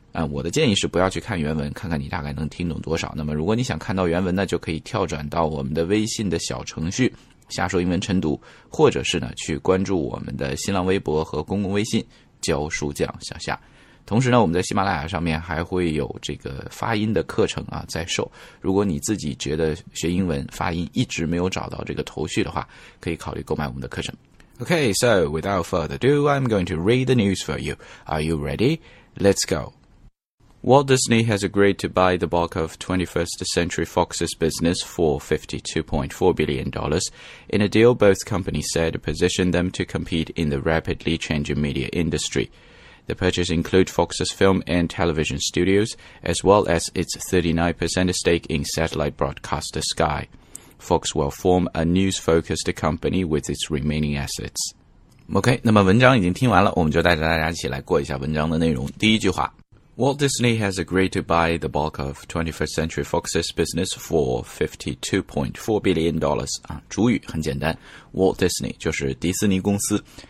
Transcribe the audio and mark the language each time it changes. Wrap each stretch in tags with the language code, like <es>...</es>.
<zh>我的建议是不要去看原文，看看你大概能听懂多少。那么如果你想看到原文呢，就可以跳转到我们的微信的小程序下说英文晨读，或者是呢去关注我们的新浪微博和公共微信教书匠小夏。同时呢，我们在喜马拉雅上面还会有这个发音的课程啊在售。如果你自己觉得学英文发音一直没有找到这个头绪的话，可以考虑购买我们的课程。</zh> <en>Okay, so without further ado, I'm going to read the news for you. Are you ready? Let's go. Walt Disney has agreed to buy the bulk of 21st Century Fox's business for $52.4 billion in a deal both companies said positioned them to compete in the rapidly changing media industry. The purchase includes Fox's film and television studios, as well as its 39% stake in satellite broadcaster Sky. Fox will form a news-focused company with its remaining assets.</en> <zh>OK, 那么文章已经听完了，我们就带着大家一起来过一下文章的内容。第一句话。</zh> <en>Walt Disney has agreed to buy the bulk of 21st Century Fox's business for $52.4 billion.</en> <zh>啊，主语很简单 ,Walt Disney 就是迪斯尼公司。</zh>